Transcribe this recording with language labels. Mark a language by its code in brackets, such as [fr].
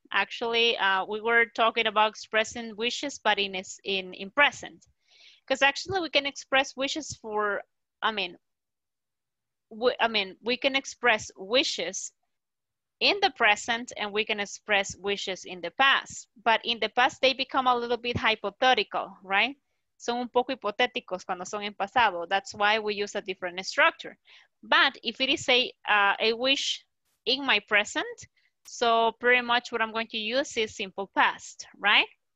[en] Actually, we were talking about expressing wishes, but in present. Because actually we can express wishes for, we can express wishes in the present and we can express wishes in the past. But in the past, they become a little bit hypothetical, right? [es] son un poco hipotéticos cuando son en pasado. [en] That's why we use a different structure. But if it is a wish in my present, so pretty much what I'm going to use is simple past, right?